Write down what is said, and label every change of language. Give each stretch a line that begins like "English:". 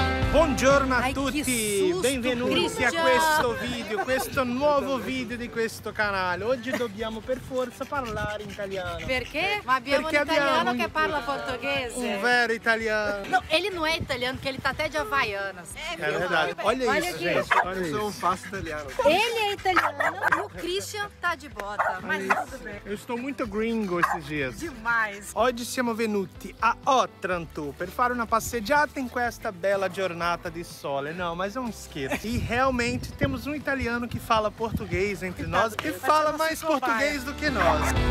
Italian: Buongiorno a tutti, benvenuti a questo video, questo nuovo video di questo canale. Oggi dobbiamo per forza parlare italiano. Perché? Ma abbiamo perché un italiano abbiamo che parla portoghese. Un vero italiano.
Portuguese: No, ele não é italiano, que ele tá até de Havaianas. É verdade. Olha isso, gente. Eu sou um fast italiano. Ele é italiano, o Christian tá de bota. Mas tudo bem. Eu estou muito gringo esses dias. Demais.
Italian: Oggi siamo venuti a Otranto per fare una passeggiata in questa bella giornata di sole.
Portuguese: No, mas é um esquema. E realmente temos um italiano que fala português entre nós e fala mais português do que nós.